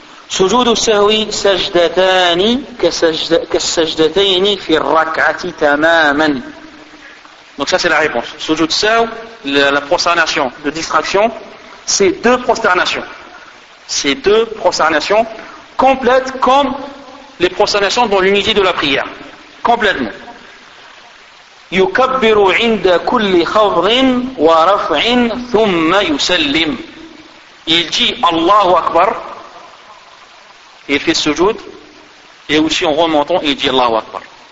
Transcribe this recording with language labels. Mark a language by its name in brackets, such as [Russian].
[Arabic] سجود السهو سجدتان كالسجدتين في الركعة تماما. [French] Donc ça c'est la réponse. سجود السهو, la prosternation, la distraction, c'est deux prosternations. C'est deux prosternations complètes comme les prosternations dans l'unité de la prière. Complètement. [Arabic] يكبر عند كل خفض ورفع ثم يسلم. [French] Il dit Allahu Akbar. Il fait sujoud, et aussi en remontant, il dit Allahu Akbar.